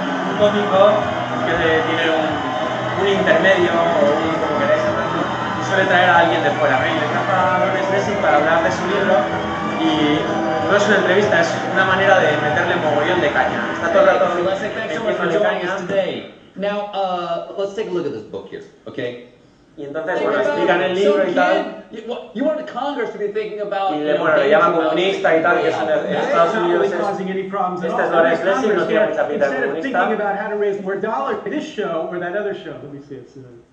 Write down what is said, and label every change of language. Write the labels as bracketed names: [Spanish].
[Spanish] Un cómico que tiene un intermedio, o como queréis llamarlo, y suele traer a alguien de fuera. Me encanta Lawrence Lessig para hablar de su libro. Y no es una entrevista, es una manera de meterle mogollón de caña. Está todo el rato metiendo de caña. [English] Now, let's take a look at this book here, okay? [Spanish] Y entonces, bueno, explican el libro y tal. [English] You want the Congress to be thinking about... [Spanish] Y le, bueno, le llaman comunista y tal, que es en Estados Unidos. Este es Lawrence Lessig, no tiene mucha pinta de comunista. [English] Instead of thinking about how to raise more dollars for this show or that other show, let me see it soon.